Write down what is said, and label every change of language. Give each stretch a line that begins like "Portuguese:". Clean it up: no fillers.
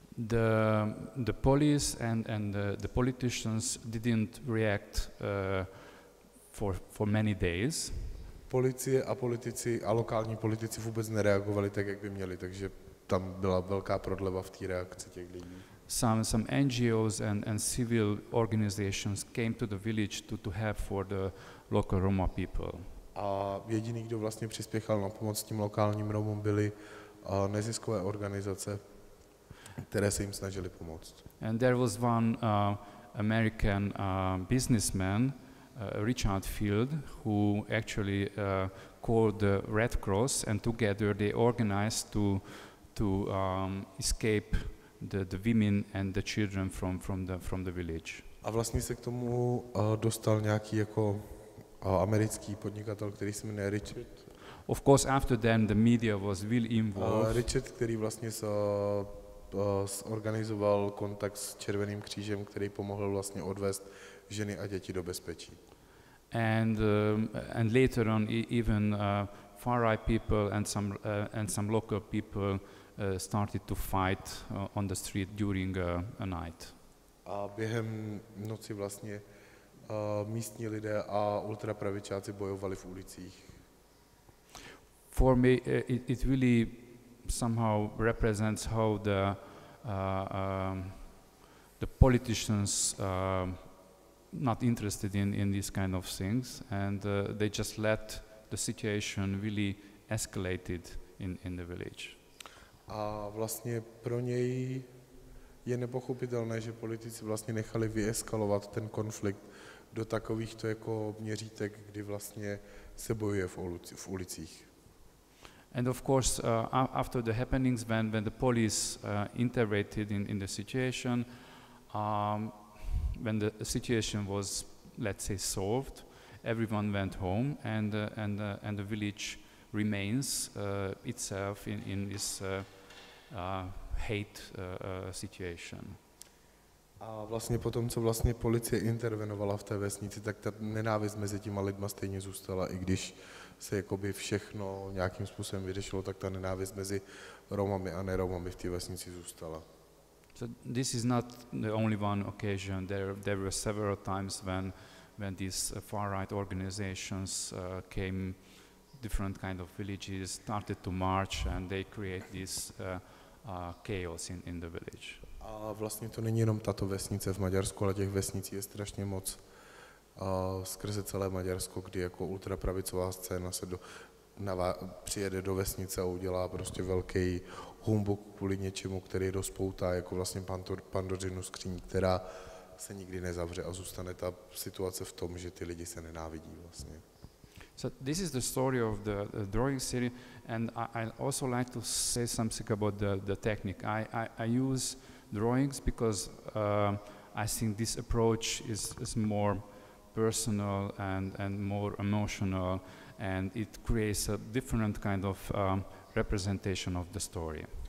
English: The police and the politicians didn't react for many days.
Czech: Policie a politici a lokální politici vůbec nereagovali tak, jak by měli, takže tam byla velká prodleva v té reakci těch lidí.
English: Some NGOs and civil organizations came to the village to help for the local Roma people.
Czech: A jediný, kdo vlastně přispěchal na pomoc tím lokálním Romům, byly neziskové organizace, které se jim snažily pomoct.
English: And there was one American businessman, Richard Field, who actually called the Red Cross, and together they organized to escape the women and the children from the village.
Czech: A vlastně se k tomu dostal nějaký jako americký podnikatel, který se jmenuje Richard.
English: Of course, after then the media was really involved.
Czech: Richard, který vlastně zorganizoval kontakt s Červeným křížem, který pomohl vlastně odvést ženy a děti do bezpečí.
English: And later on even far right people and some local people started to fight on the street during a night.
Czech: A během noci vlastně místní lidé a ultrapravičáci bojovali v ulicích.
English: For me it really somehow represents how the politicians not interested in these kind of things and they just let the situation really escalated in the village.
Czech: A vlastně pro něj je nepochopitelné, že politici vlastně nechali vyeskalovat ten konflikt do takovýchto jako měřítek, kdy vlastně se bojuje v ulicích.
English: And of course after the happenings when the police intervened in the situation when the situation was let's say solved, everyone went home and the village remains itself in this hate situation.
Czech: A vlastně potom co vlastně policie intervenovala v té vesnici, tak ta nenávist mezi těma lidma stejně zůstala, i když se jakoby všechno nějakým způsobem vyřešilo, tak ta nenávist mezi Romami a neromami v té vesnici zůstala.
English: So this is not the only one occasion. There were several times when these far right organizations came different kind of villages, started to march and they create this chaos in the village.
Czech: A vlastně to není jenom tato vesnice v Maďarsku, ale těch vesnicí je strašně moc skrze celé Maďarsko, kdy jako ultrapravicová scéna se přijede do vesnice a udělá prostě velký humbuk kvůli něčemu, který rozpoutá jako vlastně pandořinu skříň, která se nikdy nezavře a zůstane ta situace v tom, že ty lidi se nenávidí vlastně.
English: So this is the story of the drawing city and I also like to say something about the technique. I use drawings because I think this approach is more personal and more emotional and it creates a different kind of representation of the story.